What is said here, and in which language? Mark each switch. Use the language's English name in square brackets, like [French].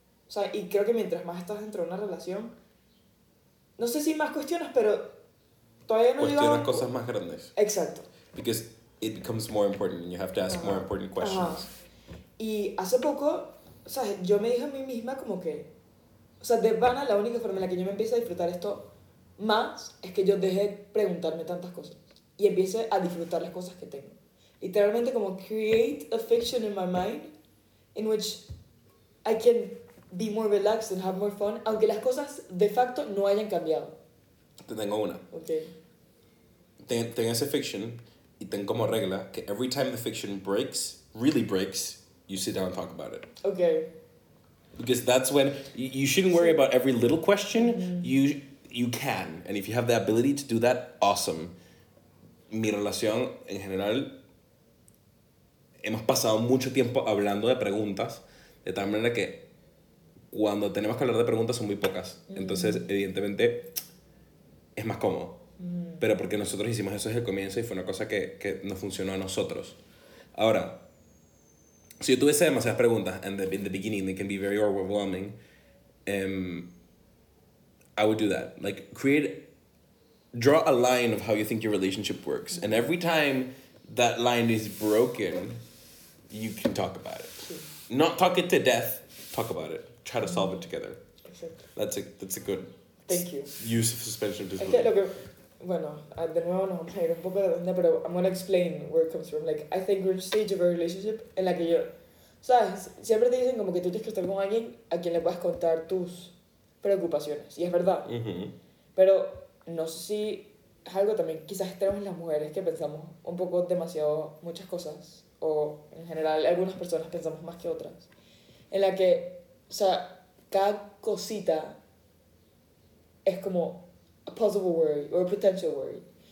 [Spanish] O sea, y creo que mientras más estás dentro de una relación, no sé si más cuestionas, pero todavía no llegamos... Cuestionas cosas más grandes. Exacto. [English] Because it becomes more important and you have to ask more important questions. [Spanish] Ajá. Y hace poco, o sea, yo me dije a mí misma como que, o sea, de vana, la única forma en la que yo me empiezo a disfrutar esto más es que yo dejé preguntarme tantas cosas y empiece a disfrutar las cosas que tengo. Literalmente como [English] create a fiction in my mind in which I can be more relaxed and have more fun, [Spanish] aunque las cosas de facto no hayan cambiado. Te tengo una. [English] Okay. [Spanish] Ten esa fiction y ten como regla que [English] every time the fiction breaks, really breaks, you sit down and talk about it. Okay. Because that's when you shouldn't worry about every little question. Mm-hmm. You can, and if you have the ability to do that, awesome. [Spanish] Mi relación, en general, hemos pasado mucho tiempo hablando de preguntas, de tal manera que cuando tenemos que hablar de preguntas son muy pocas. Mm-hmm. Entonces, evidentemente, es más cómodo. Mm-hmm. Pero porque nosotros hicimos eso desde el comienzo y fue una cosa que nos funcionó a nosotros. Ahora, si yo tuviese demasiadas preguntas, [English] and in the beginning they can be very overwhelming, I would do that. Like, draw a line of how you think your relationship works. And every time that line is broken, you can talk about it. Not talk it to death, talk about it. Try to solve it together. Exactly. That's a good use of suspension of disbelief. Okay, look, [Spanish] bueno, de nuevo nos vamos a ir un poco de onda, pero [English] I'm going to explain where it comes from. Like, I think we're in a stage of a relationship [Spanish] en la que yo... ¿Sabes? Siempre te dicen como que tú tienes que estar con alguien a quien le puedas contar tus preocupaciones. Y es verdad. Mm-hmm. Pero no sé si es algo también... Quizás tenemos las mujeres que pensamos un poco demasiado muchas cosas. O en general, algunas personas pensamos más que otras. En la que, o sea, cada cosita es como [English] a possible worry or a potential worry.